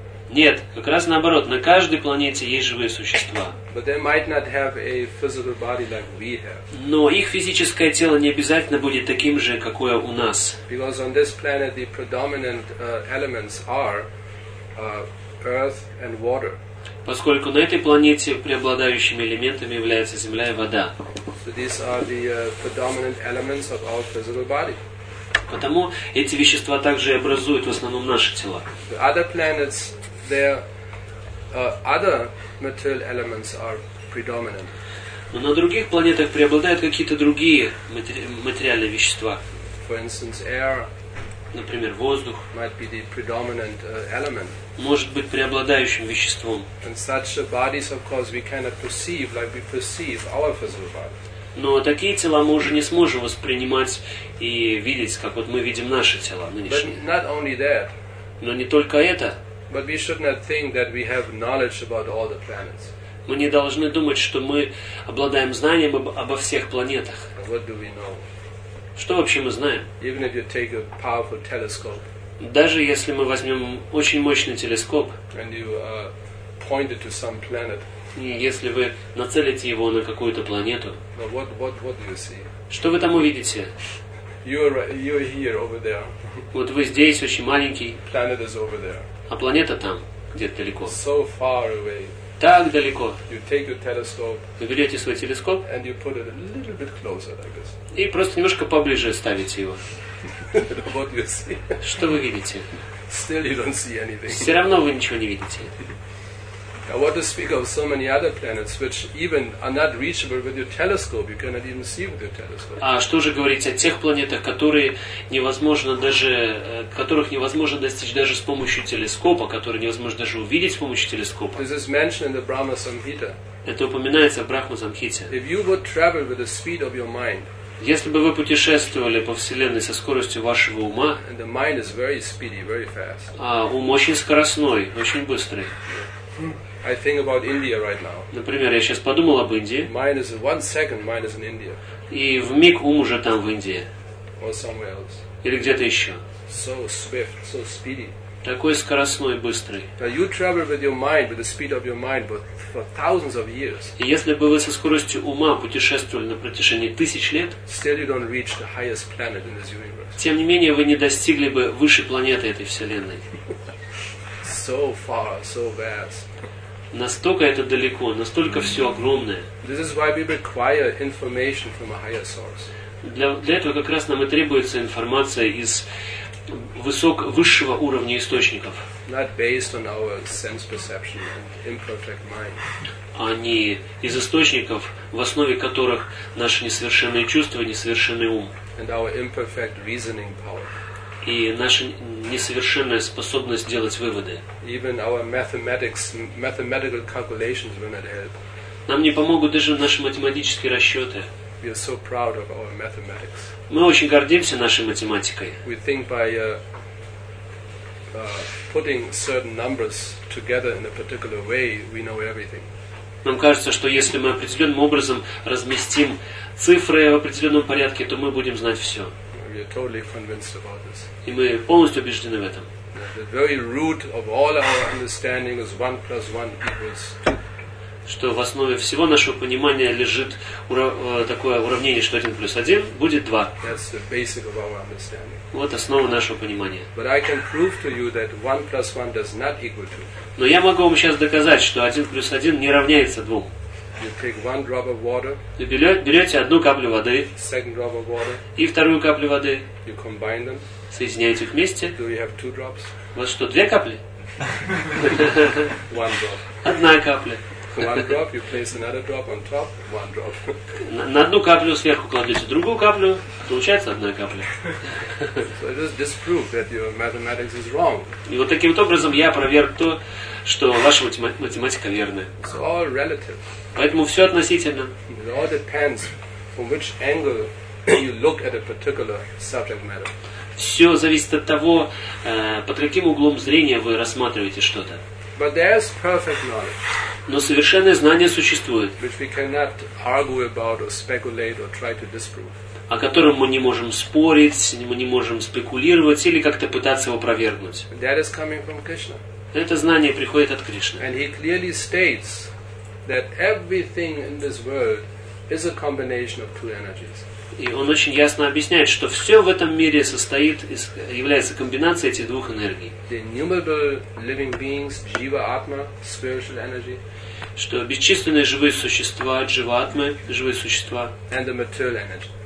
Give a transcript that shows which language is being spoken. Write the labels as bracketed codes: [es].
[ru] Нет, как раз наоборот, на каждой планете есть живые существа. [en] But they might not have a physical body like we have. [ru] Но их физическое тело не обязательно будет таким же, какое у нас. [en] Because on this planet the predominant elements are earth and water. [ru] Поскольку на этой планете преобладающими элементами являются земля и вода. [en] So these are the predominant elements of our physical body. [ru] Потому эти вещества также и образуют в основном наши тела. [en] The other planets, their other material elements are predominant. [ru] Но на других планетах преобладают какие-то другие материальные вещества. [en] For instance, air. [ru] Например, воздух. [en] Might be the predominant element. [ru] Может быть преобладающим веществом. [en] And such bodies, of course, we cannot perceive like we perceive our physical body. [ru] Но такие тела мы уже не сможем воспринимать и видеть, как вот мы видим наши тела нынешние. [en] But not only that. [ru] Но не только это. [en] But we should not think that we have knowledge about all the planets. [ru] Мы не должны думать, что мы обладаем знанием обо всех планетах. [en] What do we know? [ru] Что вообще мы знаем? [en] Even if you take a powerful telescope. [ru] Даже если мы возьмем очень мощный телескоп. [en] And you point it to some planet. [ru] Если вы нацелите его на какую-то планету, [en] what do you see? [ru] Что вы там увидите? [en] You're here, over there. [ru] Вот вы здесь, очень маленький. [en] Planet is over there. [ru] А планета там, где-то далеко. [en] So far away. [ru] Так далеко. [en] You take your telescope, [ru] вы берете свой телескоп [en] and you put it a little bit closer, like this. [ru] И просто немножко поближе ставите его. [en] What do you see? [ru] Что вы видите? [en] Still you don't see anything. [ru] Все равно вы ничего не видите. [en] What to speak of so many other planets, which even are not reachable with your telescope, you cannot even see with your telescope. [ru] А что же говорить о тех планетах, которые невозможно даже, которых невозможно достичь даже с помощью телескопа, которые невозможно даже увидеть с помощью телескопа? [en] This is mentioned in the Brahma Samhita. [ru] Это упоминается в Брахма Самхите. [en] If you would travel with the speed of your mind. [ru] Если бы вы путешествовали по Вселенной со скоростью вашего ума, [en] and the mind is very speedy, very fast. [ru] А ум очень скоростной, очень быстрый. [en] I think about India right now. [ru] Например, я сейчас подумал об Индии. [en] Mine is one second, mine is in India. [ru] И в миг ум уже там в Индии. [en] Or somewhere else. [ru] Или где-то еще. [en] So swift, so speedy. [ru] Такой скоростной, быстрый. [en] Now you travel with your mind, with the speed of your mind, but for thousands of years. [ru] И если бы вы со скоростью ума путешествовали на протяжении тысяч лет, [en] still you don't reach the highest planet in this universe. [ru] Тем не менее, вы не достигли бы высшей планеты этой вселенной. [en] So far, so vast. [ru] Настолько это далеко, настолько все огромное. [en] This is why we require information from a higher source. [ru] Для этого как раз нам и требуется информация из высшего уровня источников. [en] Not based on our sense perception and imperfect mind. [ru] А не из источников, в основе которых наши несовершенные чувства, несовершенный ум. [en] And our imperfect reasoning power. [ru] И наша несовершенная способность делать выводы. [en] Even our mathematics, mathematical calculations will not help. [ru] Нам не помогут даже наши математические расчеты. [en] We are so proud of our mathematics. [ru] Мы очень гордимся нашей математикой. [en] We think by putting certain numbers together in a particular way, we know everything. [ru] Нам кажется, что если мы определенным образом разместим цифры в определенном порядке, то мы будем знать все. [en] We are totally convinced about this. [ru] И мы полностью убеждены в этом. [en] The very root of all our understanding is 1 plus 1 equals 2. [ru] Что в основе всего нашего понимания лежит такое уравнение, что 1 плюс 1 будет 2. [en] That's the basic of our understanding. [ru] Вот основа нашего понимания. [en] But I can prove to you that 1 plus 1 does not equal 2. [ru] Но я могу вам сейчас доказать, что 1 плюс 1 не равняется 2. [en] You take one drop of water. [ru] Вы берете одну каплю воды. [en] Second drop of water. [ru] И вторую каплю воды. [en] You combine them. [ru] Соединяете их вместе. [en] Do you have two drops? [ru] Вот что, две капли? [en] One drop. [ru] Одна капля. [en] One drop. You place another drop on top. One drop. [ru] На одну каплю сверху кладете другую каплю, получается одна капля. [en] So this disproves that your mathematics is wrong. [ru] И вот таким вот образом я проверю то, что ваша математика верна. [en] It's all relative. [ru] Поэтому все относительно. [en] It all depends from which angle you look at a particular subject matter. [ru] Все зависит от того, под каким углом зрения вы рассматриваете что-то. [en] But there is perfect knowledge. [ru] Но совершенное знание существует. [en] Which we cannot argue about or speculate or try to disprove. [ru] О котором мы не можем спорить, мы не можем спекулировать или как-то пытаться его опровергнуть. [en] That is coming from Krishna. [ru] Это знание приходит от Кришны. [en] And he clearly states that everything in this world is a combination of two energies. [ru] И он очень ясно объясняет, что все в этом мире состоит из, является комбинацией этих двух энергий. [en] The innumerable living beings, jiva, atma, spiritual energy. [ru] Что бесчисленные живые существа, jiva, atma, живые существа. [en] And the material energy.